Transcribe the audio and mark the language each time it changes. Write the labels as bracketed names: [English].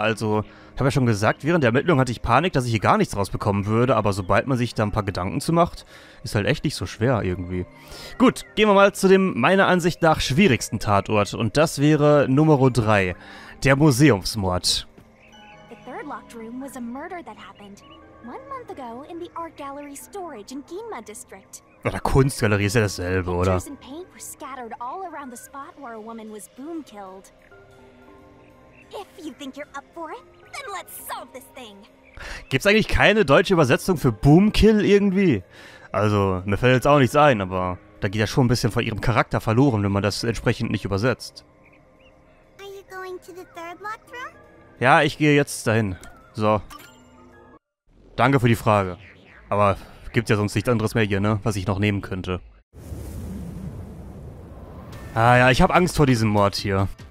[German] Also ich habe ja schon gesagt, während der Ermittlung hatte ich Panik, dass ich hier gar nichts rausbekommen würde, aber sobald man sich da ein paar Gedanken zu macht, ist halt echt nicht so schwer irgendwie. Gut, gehen wir mal zu dem meiner Ansicht nach schwierigsten Tatort und das wäre Nummer 3, der Museumsmord. [English] Locked room was a murder that happened 1 month ago in the art gallery storage in Ginma district. [German] Oder Kunstgalerie ist ja dasselbe, oder? [English] Pictures and paint were scattered all around the spot where a woman was boom killed. If you think you're up for it, then let's solve this thing. [German] Gibt's eigentlich keine deutsche Übersetzung für boom kill irgendwie? Also, mir fällt jetzt auch nichts ein, aber da geht ja schon ein bisschen von ihrem Charakter verloren, wenn man das entsprechend nicht übersetzt. [English] Are you going to the third locked room? [German] Ja, ich gehe jetzt dahin. So. Danke für die Frage. Aber gibt's ja sonst nichts anderes mehr hier, ne? Was ich noch nehmen könnte. Ah ja, ich habe Angst vor diesem Mord hier.